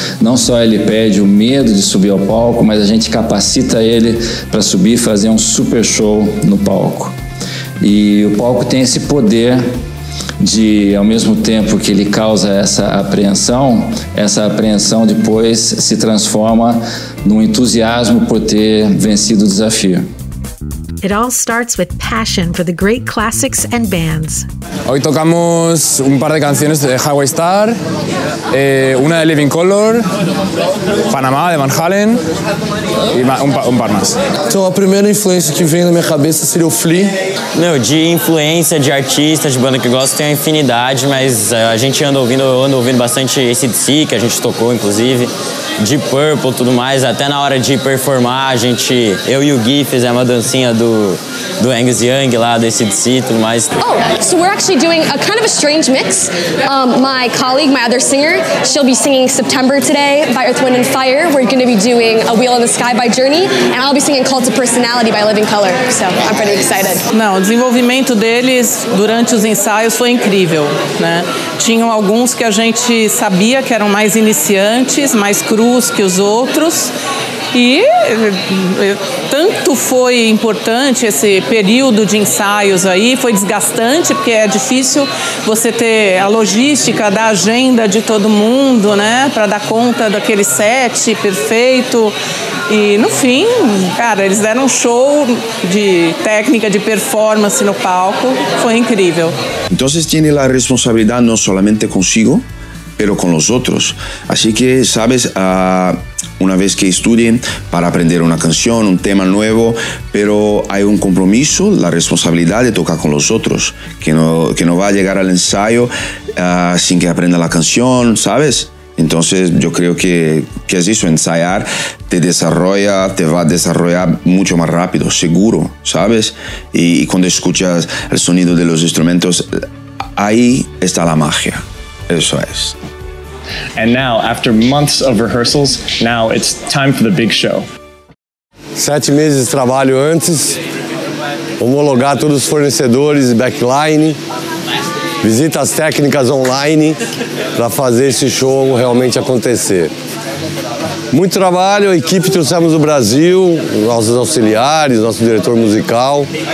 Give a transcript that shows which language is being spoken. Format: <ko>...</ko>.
<pt>Não só ele perde o medo de subir ao palco, mas a gente capacita ele para subir e fazer um super show no palco. E o palco tem esse poder de, ao mesmo tempo que ele causa essa apreensão depois se transforma num entusiasmo por ter vencido o desafio.</pt> <en>It all starts with passion for the great classics and bands.</en> <es>Hoy tocamos un par de canciones de Highway Star, una de Living Color, Panamá de Van Halen y un par más.</es> <pt>Então a primeira influência que vem na minha cabeça seria o Flea. Meu, de influência, de artista, de banda que eu gosto, tem uma infinidade, mas a gente anda ouvindo bastante AC/DC, que a gente tocou, inclusive, de Purple e tudo mais, até na hora de performar, eu e o Gui fizemos uma dancinha do Angus Young lá, do AC/DC e tudo mais.</pt> <en>Oh, so we're actually doing a kind of a strange mix. My colleague, my other singer, she'll be singing September today by Earth, Wind & Fire. We're going to be doing A Wheel in the Sky by Journey, and I'll be singing Cult of Personality by Living Color, so I'm pretty excited.</en> <pt>Não, o desenvolvimento deles durante os ensaios foi incrível, né? Tinham alguns que a gente sabia que eram mais iniciantes, mais crus que os outros. E tanto foi importante esse período de ensaios aí, foi desgastante, porque é difícil você ter a logística da agenda de todo mundo, né? Para dar conta daquele set perfeito. E no fim, cara, eles deram um show de técnica, de performance no palco, foi incrível.</pt> <es>Então, tiene la responsabilidad no solamente consigo, pero con los otros. Así que, sabes, una vez que estudien para aprender una canción, un tema nuevo, pero hay un compromiso, la responsabilidad de tocar con los otros, que no va a llegar al ensayo sin que aprenda la canción, ¿sabes? Entonces yo creo que es eso, ensayar te desarrolla, te va a desarrollar mucho más rápido, seguro, ¿sabes? Y cuando escuchas el sonido de los instrumentos, ahí está la magia, eso es.</es> <en>And now, after months of rehearsals, now it's time for the big show.</en> <pt>7 meses de trabalho antes, homologar todos os fornecedores, backline, visitas técnicas online para fazer esse show realmente acontecer. Muito trabalho, a equipe trouxemos do Brasil, nossos auxiliares, nosso diretor musical.</pt>